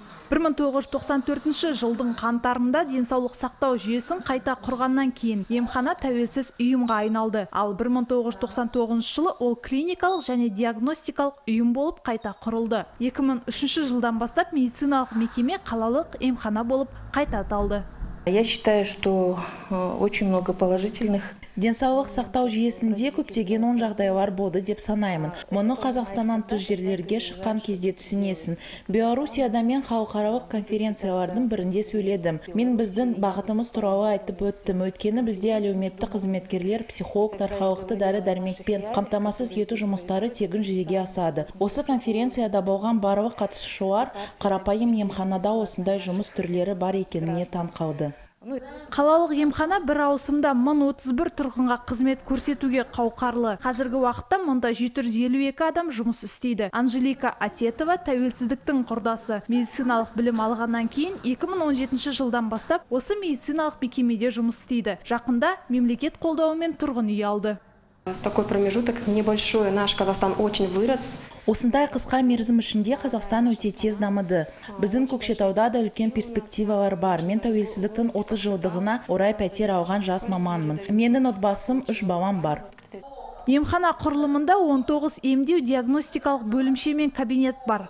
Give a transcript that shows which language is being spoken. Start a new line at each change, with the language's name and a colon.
Kazakh: 1994 жылдың қаңтарында денсаулық сақтау жүйесін қайта құрғаннан кейін емхана тәуелсіз ұйымға айналды. Ал 1999 жылы ол клиникалық және диагностикалық ұйым болып қайта құрылды. 2003 жылдан бастап медициналық мекеме қалалық емхана болып қайта аталды.
Russian: Я считаю, что очень много положительных.
Kazakh: Денсаулық сақтау жүйесінде көптеген оң жағдайлар болды деп санаймын. Мұны Қазақстаннан тыс жерлерге шыққан кезде түсінесің. Беларусияда мен халықаралық конференциялардың бірінде сөйледім. Мен біздің бағытымыз туралы айтып өттім. Өткені бізде әлеуметтік қызметкерлер, психологтар халықты дәрі-дәрмекпен қамтамасыз ету жұмыстары тегін жүзеге асады. Осы конференцияда болған барлық қатысушылар қарапайым емханада осындай жұмыс түрлері бар екеніне таң қалды. Қалалық емхана бір ауысымда 1031 тұрғынға қызмет көрсетуге қауқарлы. Қазіргі уақытта мұнда 752 адам жұмыс істейді. Анжелика Атетова тәуелсіздіктің құрдасы. Медициналық білім алғаннан кейін 2017 жылдан бастап осы медициналық мекемеде жұмыс істейді. Жақында мемлекет қолдауымен тұрғын үй алды.
Russian: С такой промежуток небольшой наш Казахстан очень вырос.
Kazakh: Осындай қысқа мерзім ішінде Қазақстан өте тез дамыды. Біздің Көкшетауда да үлкен перспективалар бар. Мен тәуелсіздіктің 30 жылдығына орай пәтер алған жас маманмын. Менің отбасым 3 балам бар. Емхана құрылымында 19 емдеу диагностикалық бөлімше мен кабинет бар.